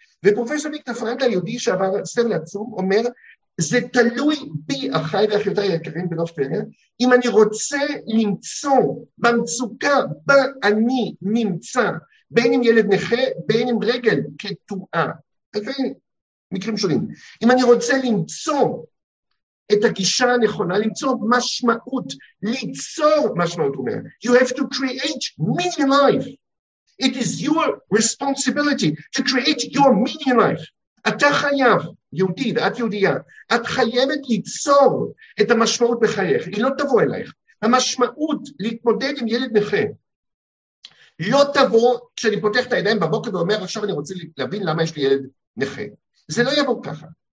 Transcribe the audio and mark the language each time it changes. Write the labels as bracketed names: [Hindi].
[Hebrew] ופרופסור ויקטור פרנקל היהודי שעבר סבל עצום, אומר, זה תלוי בי, אחיי ואחיותיי היקרים בנוף פרנר, אם אני רוצה למצוא במצוקה בה אני נמצא, בין אם ילד נכה, בין אם רגל כתועה. אוקיי? מקרים שונים. אם אני רוצה למצוא את הגישה הנכונה, למצוא משמעות, ליצור משמעות, הוא אומר. [English] You have to create meaning in life. It is your responsibility to create your meaning in life. [Hebrew] אתה חייב, יהודי ואת יהודייה, את חייבת ליצור את המשמעות בחייך, היא לא תבוא אלייך. המשמעות להתמודד עם ילד נכה, לא תבוא כשאני פותח את הידיים בבוקר ואומר, עכשיו אני רוצה להבין למה יש לי ילד נכה. זה לא יבוא ככה.